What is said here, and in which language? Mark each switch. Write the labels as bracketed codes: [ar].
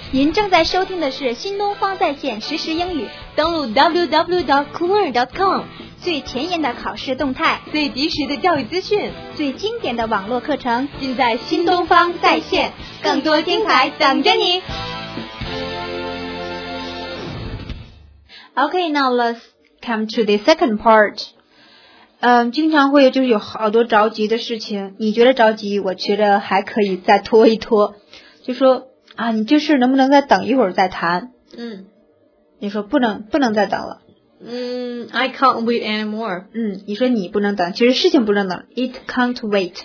[zh] 您正在收听的是新东方在线实时英语，登录 www.cooler.com，最前沿的考试动态，最及时的教育资讯，最经典的网络课程，尽在新东方在线，更多精彩等着你。 [en] Okay, now let's come to the second part. [zh] 嗯，经常会就是有好多着急的事情，你觉得着急，我觉得还可以再拖一拖，就说啊，你这事能不能再等一会儿再谈？嗯，你说不能再等了。 [en] 嗯 ，I can't wait anymore。 [zh] 嗯，你说你不能等，其实事情不能等 ， [en] It can't wait。